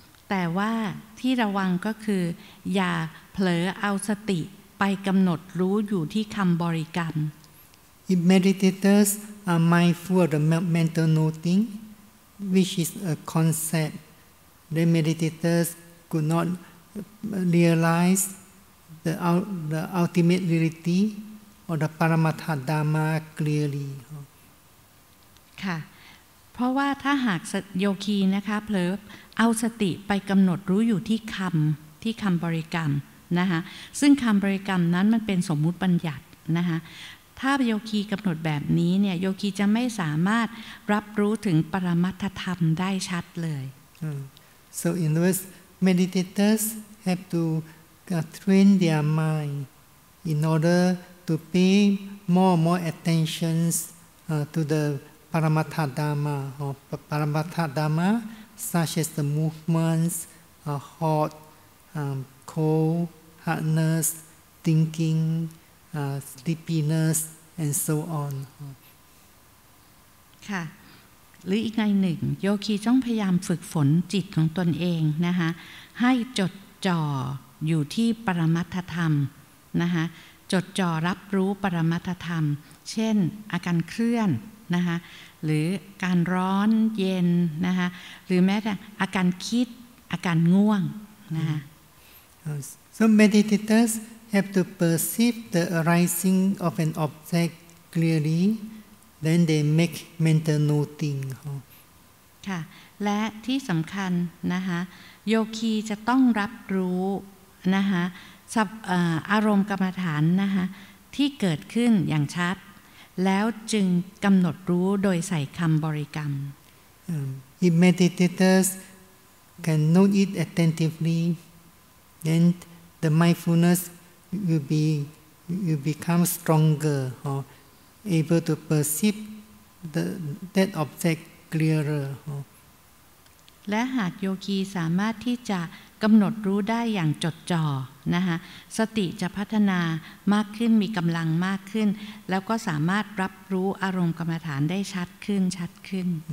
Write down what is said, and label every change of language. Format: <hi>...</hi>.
<th>แต่ว่าที่ระวังก็คืออย่าเผลอเอาสติไปกำหนดรู้อยู่ที่คำบริกรรม</th> <en>If meditators are mindful of the mental noting, which is a concept, then meditators could not realize the ultimate reality or the Paramattha Dhamma clearly.</en> <th>ค่ะเพ พราะว่าถ้าหากโยคีนะคะเผลอเอาสติไปกำหนดรู้อยู่ที่คำที่คำบริกรรมนะคะซึ่งคำบริกรรมนั้นมันเป็นสมมุติบัญญัตินะคะถ้าโยคีกำหนดแบบนี้เนี่ยโยคีจะไม่สามารถรับรู้ถึงปรมัตถธรรมได้ชัดเลย</th> <en>So in other words, meditators have to train their mind in order to pay more attention to the paramattha dhamma or paramattha dhamma such as the movements, hot, cold, hardness, thinking, sleepiness, and so on.</en> <th>ค่ะหรืออีกในหนึ่งโยคีต้องพยายามฝึกฝนจิตของตนเองนะคะให้จดจ่ออยู่ที่ปรมัตถธรรมนะคะจดจ่อรับรู้ปรมัตถธรรมเช่นอาการเคลื่อนนะคะหรือการร้อนเย็นนะคะหรือแม้แต่อาการคิดอาการง่วงนะคะ</th> <en>So meditators have to perceive the arising of an object clearly then they make mental noting</en> <th>ค่ะและที่สำคัญนะคะโยคีจะต้องรับรู้นะคะอารมณ์กรรมฐานนะคะที่เกิดขึ้นอย่างชัดแล้วจึงกำหนดรู้โดยใส่คำบริกรรม</th> <en>If meditators can note it attentively then the mindfulness will become stronger or able to perceive that object clearer</en> <th>และหากโยคีสามารถที่จะกำหนดรู้ได้อย่างจดจ่อนะคะสติจะพัฒนามากขึ้นมีกำลังมากขึ้นแล้วก็สามารถรับรู้อารมณ์กรรมฐานได้ชัดขึ้นชัดขึ้น</th>